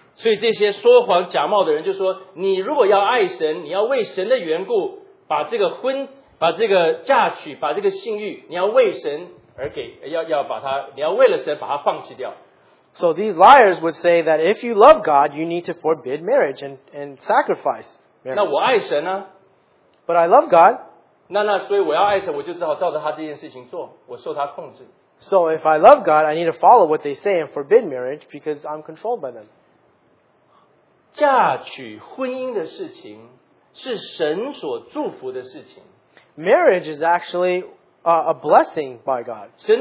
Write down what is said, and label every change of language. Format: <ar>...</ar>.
<zh>所以这些说谎假冒的人就说，你如果要爱神，你要为神的缘故，把这个婚，把这个嫁娶，把这个性欲，你要为神而给，要把它，你要为了神把它放弃掉。</zh> <en>So these liars would say that if you love God, you need to forbid marriage and sacrifice marriage.</en> <zh>那我爱神呢?</zh> <en>But I love God.</en> <zh>那所以我要爱神，我就只好照着他这件事情做，我受他控制。</zh> <en>So if I love God, I need to follow what they say and forbid marriage because I'm controlled by them.</en> <zh>嫁娶婚姻的事情是神所祝福的事情。</zh> <en>Marriage is actually a blessing by God.</en>